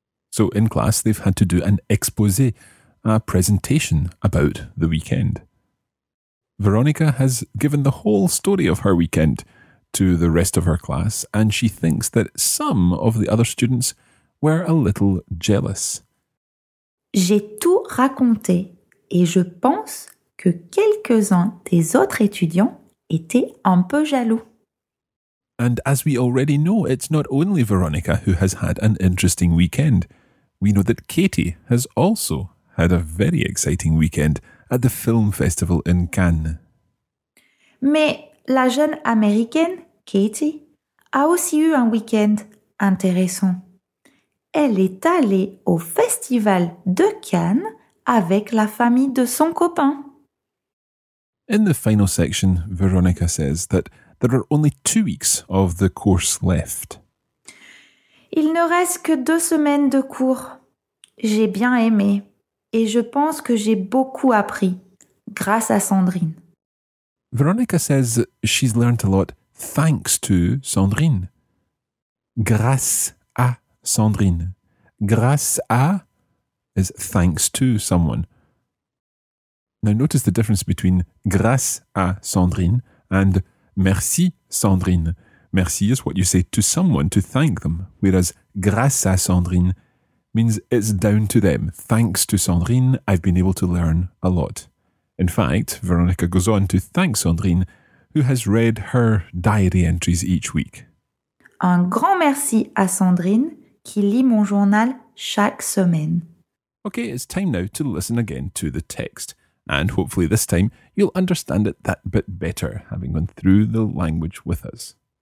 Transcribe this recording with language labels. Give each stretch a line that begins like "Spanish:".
English: So in class, they've had to do an exposé, a presentation about the weekend. Veronica has given the whole story of her weekend to the rest of her class, and she thinks that some of the other students were a little jealous.
French: J'ai tout raconté, et je pense que quelques-uns des autres étudiants étaient un peu jaloux.
English: And as we already know, it's not only Veronica who has had an interesting weekend. We know that Katie has also had a very exciting weekend at the film festival in Cannes.
French: Mais la jeune américaine, Katie, a aussi eu un week-end intéressant. Elle est allée au festival de Cannes avec la famille de son copain.
English: In the final section, Veronica says that there are only 2 weeks of the course left.
French: Il ne reste que 2 semaines de cours. J'ai bien aimé et je pense que j'ai beaucoup appris grâce à Sandrine.
English: Veronica says she's learned a lot thanks to Sandrine.
French: Grâce à Sandrine. Grâce à
English: is thanks to someone. Now notice the difference between grâce à Sandrine and merci Sandrine. Merci is what you say to someone to thank them, whereas grâce à Sandrine means it's down to them. Thanks to Sandrine, I've been able to learn a lot. In fact, Veronica goes on to thank Sandrine, who has read her diary entries each week.
French: Un grand merci à Sandrine qui lit mon journal chaque semaine.
English: Okay, it's time now to listen again to the text. And hopefully this time, you'll understand it that bit better, having gone through the language with us.